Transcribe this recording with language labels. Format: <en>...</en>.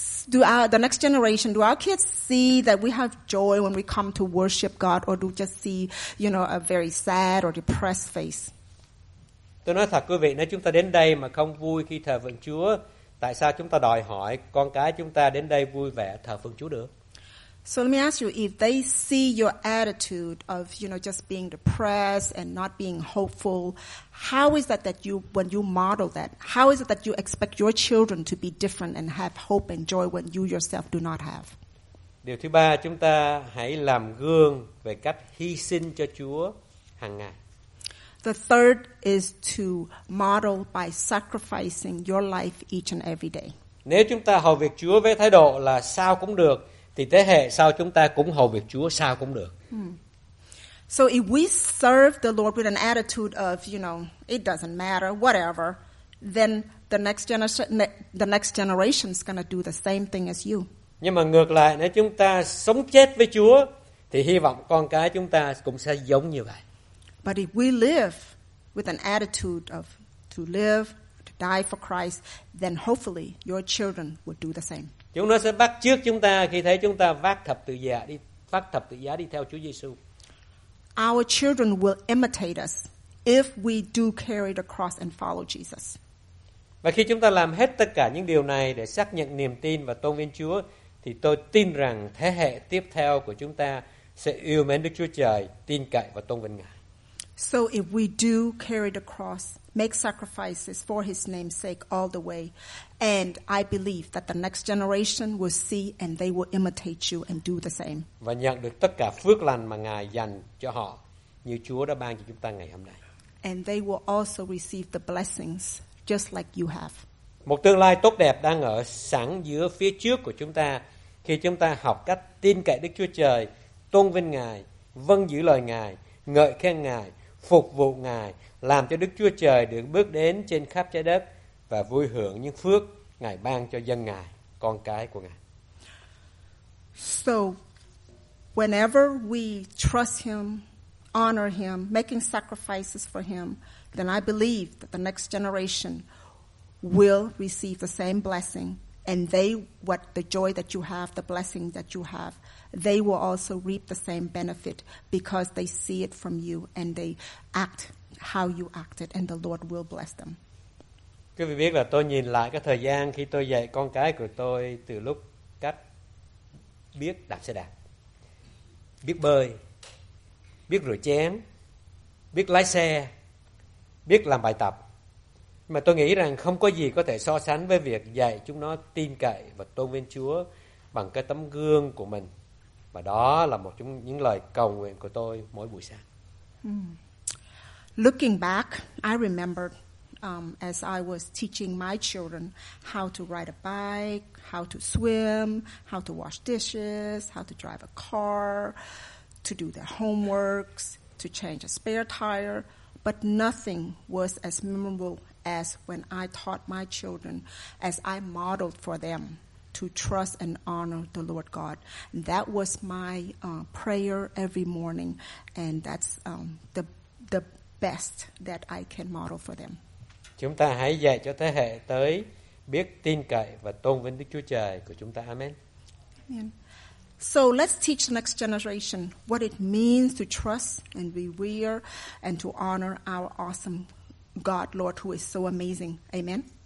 <en>Do our kids see that we have joy when we come to worship God, or do just see, you know, a very sad or depressed face?</en> <vi>Tôi nói thật quý vị, nếu chúng ta đến đây mà không vui khi thờ phượng Chúa, tại sao chúng ta đòi hỏi con cái chúng ta đến đây vui vẻ thờ phượng Chúa được?</vi> <en>So let me ask you, if they see your attitude of, you know, just being depressed and not being hopeful, how is that that you, when you model that, how is it that you expect your children to be different and have hope and joy when you yourself do not have?</en> <vi>Điều thứ ba, chúng ta hãy làm gương về cách hy sinh cho Chúa hàng ngày.</vi> <en>The third is to model by sacrificing your life each and every day.</en> <vi>Nếu chúng ta hầu việc Chúa với thái độ là sao cũng được, thì thế hệ sau chúng ta cũng hầu việc Chúa sao cũng được.</vi> <en>So if we serve the Lord with an attitude of, you know, it doesn't matter, whatever, then the next generation is going to do the same thing as you.</en> <vi>Nhưng mà ngược lại, nếu chúng ta sống chết với Chúa, thì hy vọng con cái chúng ta cũng sẽ giống như vậy.</vi> <en>But if we live with an attitude of to live, to die for Christ, then hopefully your children will do the same.</en> <vi>Chúng nó sẽ bắt chước chúng ta khi thấy chúng ta vác thập tự giá đi theo Chúa Giêsu.</vi> <en>Our children will imitate us if we do carry the cross and follow Jesus.</en> <vi>Và khi chúng ta làm hết tất cả những điều này để xác nhận niềm tin và tôn vinh Chúa, thì tôi tin rằng thế hệ tiếp theo của chúng ta sẽ yêu mến Đức Chúa Trời, tin cậy và tôn vinh Ngài.</vi> <en>So if we do carry the cross, make sacrifices for his name's sake all the way, and I believe that the next generation will see and they will imitate you and do the same.</en> <vi>Và nhận được tất cả phước lành mà Ngài dành cho họ như Chúa đã ban cho chúng ta ngày hôm nay.</vi> <en>And they will also receive the blessings just like you have.</en> <vi>Một tương lai tốt đẹp đang ở sẵn giữa phía trước của chúng ta khi chúng ta học cách tin cậy Đức Chúa Trời, tôn vinh Ngài, vâng giữ lời Ngài, ngợi khen Ngài, phục vụ Ngài, làm cho Đức Chúa Trời được bước đến trên khắp trái đất và vui hưởng những phước Ngài ban cho dân Ngài, con cái của Ngài.</vi> <en>So, whenever we trust him, honor him, making sacrifices for him, then I believe that the next generation will receive the same blessing, and they, what the joy that you have, the blessing that you have, they will also reap the same benefit because they see it from you and they act how you acted, and the Lord will bless them.</en> <vi>Quý vị biết là tôi nhìn lại cái thời gian khi tôi dạy con cái của tôi từ lúc cách biết đạp xe đạp, biết bơi, biết rửa chén, biết lái xe, biết làm bài tập. Mà tôi nghĩ rằng không có gì có thể so sánh với việc dạy chúng nó tin cậy và tôn vinh Chúa bằng cái tấm gương của mình. Và đó là một trong những lời cầu nguyện của tôi mỗi buổi sáng.</vi> <en>Looking back, I remember as I was teaching my children how to ride a bike, how to swim, how to wash dishes, how to drive a car, to do their homeworks, to change a spare tire, but nothing was as memorable as when I taught my children, as I modeled for them to trust and honor the Lord God. And that was my prayer every morning, and that's the best that I can model for them.</en> <vi>Chúng ta hãy dạy cho thế hệ tới biết tin cậy và tôn vinh Đức Chúa Trời của chúng ta.</vi> <en>Amen. Amen. So let's teach the next generation what it means to trust and revere and to honor our awesome God, Lord, who is so amazing. Amen.</en>